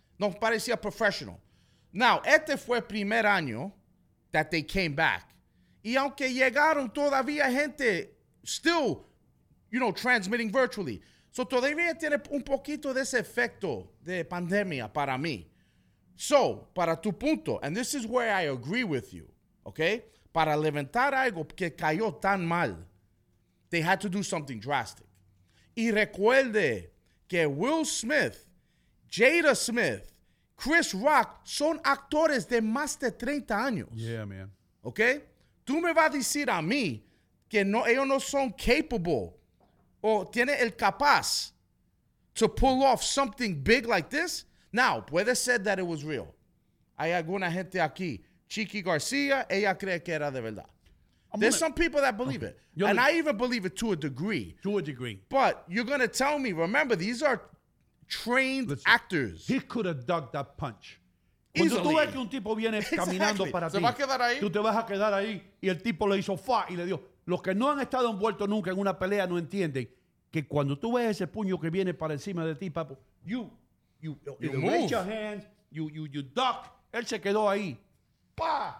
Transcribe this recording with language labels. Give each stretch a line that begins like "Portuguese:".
Spanish: No parecía professional. Now, este fue el primer año
English: that they came back.
Spanish: Y aunque llegaron todavía gente
English: still, you know, transmitting virtually.
Spanish: So todavía tiene un poquito de ese efecto de pandemia para mí.
English: So,
Spanish: para tu punto,
English: and this is where I agree with you, okay?
Spanish: Para levantar algo que cayó tan mal,
English: they had to do something drastic.
Spanish: Y recuerde que Will Smith, Jada Smith, Chris Rock son actores de más de 30 años.
English: Yeah, man.
Spanish: Okay? Tú me vas a decir a mí que no, ellos no son capable o tiene el capaz
English: to pull off something big like this?
Spanish: Now, puede ser
English: that it was real.
Spanish: Hay alguna gente aquí. Chiqui García, ella cree que era de verdad.
English: Some people that believe it. And I even believe it to a degree. To a degree. But you're going to tell me, remember, these are trained actors. He could have dug that punch.
Spanish: Cuando tú ves que un tipo viene caminando para ti, se va a quedar ahí. Tú te vas a quedar ahí y el tipo le hizo fa y le dio. Los que no han estado envueltos nunca en una pelea no entienden que cuando tú ves ese puño que viene para encima de ti, papo, you
English: move. Raise your hands, you duck.
Spanish: Él se quedó ahí.
English: Pa.